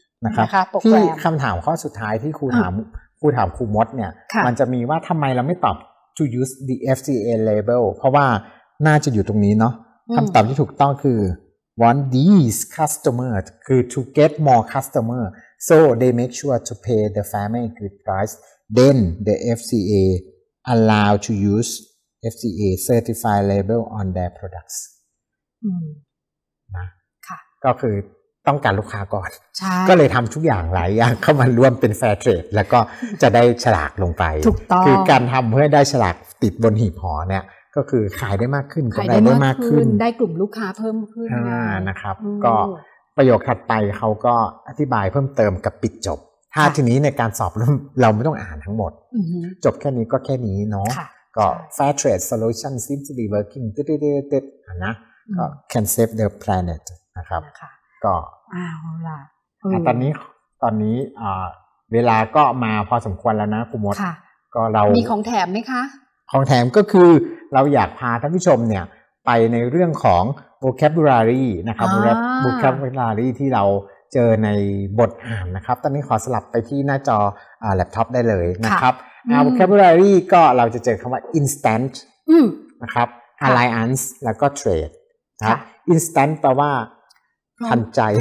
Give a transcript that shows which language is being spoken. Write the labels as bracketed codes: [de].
[th] นะครับที่คำถามข้อสุดท้ายที่ครูถามครูมดเนี่ยมัน จะมีว่าทำไมเราไม่ตอบ [en] to use the FCA label [th] เพราะว่าน่าจะอยู่ตรงนี้เนาะคำตอบที่ถูกต้องคือ [en] want these customers [th] คือ [en] to get more customersSo they make sure to pay the farmer a good price. Then the FCA allow to use FCA certified label on their products. [th] นะ ค่ะ ก็คือต้องการลูกค้าก่อน ใช่ ก็เลยทำทุกอย่างหลายอย่างเข้ามาร่วมเป็น fair trade แล้วก็จะได้ฉลากลงไป ถูกต้อง คือการทำเพื่อได้ฉลากติดบนหีบห่อเนี่ยก็คือขายได้มากขึ้น ขายได้มากขึ้นได้กลุ่มลูกค้าเพิ่มขึ้น นะครับก็ประโยคถัดไปเขาก็อธิบายเพิ่มเติมกับปิดจบถ้าทีนี้ในการสอบเราไม่ต้องอ่านทั้งหมดจบแค่นี้ก็แค่นี้เนา ะ [en] ก็ Fair Trade Solution seems to be working [th] นะก็ [en] Can save the planet [th] นะครับก็ อ้าวล่ะ ตอนนี้เวลาก็มาพอสมควรแล้วนะครูมดก็เรามีของแถมไหมคะ ของแถมก็คือเราอยากพาท่านผู้ชมเนี่ยไปในเรื่องของvocabulary นะครับ vocabulary ที่เราเจอในบทอ่านนะครับตอนนี้ขอสลับไปที่หน้าจอแล็ปท็อปได้เลยนะครับ vocabulary ก็เราจะเจอคำว่า instant นะครับ alliance แล้วก็ trade นะ instant แปลว่าทันใจ